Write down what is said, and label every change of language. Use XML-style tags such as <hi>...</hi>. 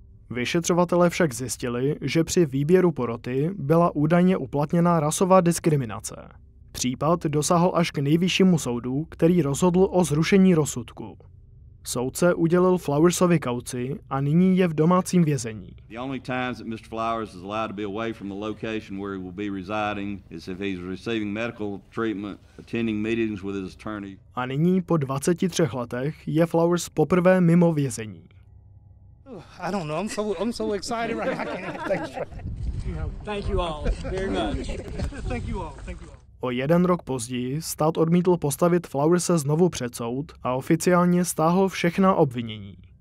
<cs>Vyšetřovatelé však zjistili, že při výběru poroty byla údajně uplatněna rasová diskriminace. Případ dosáhl až k nejvyššímu soudu, který rozhodl o zrušení rozsudku. Soudce udělil Flowersovi kauci a nyní je v domácím vězení.</cs> <en>The only times that Mr. Flowers is allowed to be away from the location where he will be residing is if he's receiving medical treatment, attending meetings with his attorney.</en> <cs>A nyní po 23 letech je Flowers poprvé mimo vězení.</cs> <en>I don't know. I'm so excited right now. Thank you all. Very much. Thank you all. Thank you all.</en> <cs>O jeden rok později stát odmítl postavit Flowerse znovu před soud a oficiálně stáhl všechna obvinění.</cs>